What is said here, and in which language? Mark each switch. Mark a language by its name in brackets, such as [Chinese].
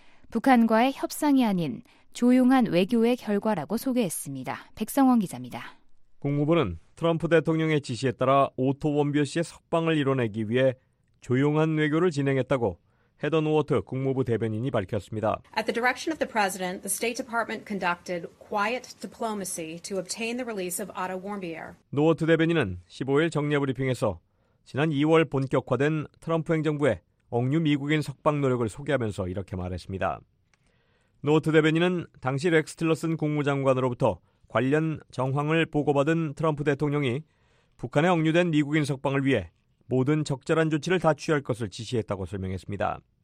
[Korean] 북한과의 협상이 아닌 조용한 외교의 결과라고 소개했습니다. 백성원 기자입니다. 국무부는 트럼프 대통령의 지시에 따라 오토 원비어 씨의 석방을 이뤄내기 위해 조용한 외교를 진행했다고 헤던 워터 국무부 대변인이 밝혔습니다. [English] At the direction of the president, the State Department conducted quiet diplomacy to obtain the release of Otto Warmbier. [Korean] 노워트 대변인은 15일 정례 브리핑에서 지난 2월 본격화된 트럼프 행정부의 억류 미국인 석방 노력을 소개하면서 이렇게 말했습니다. 노워트 대변인은 당시 렉스 틸러슨 국무장관으로부터 관련 정황을 보고받은 트럼프 대통령이 북한에 억류된 미국인 석방을 위해 모든 적절한 조치를 다 취할 것을 지시했다고 설명했습니다.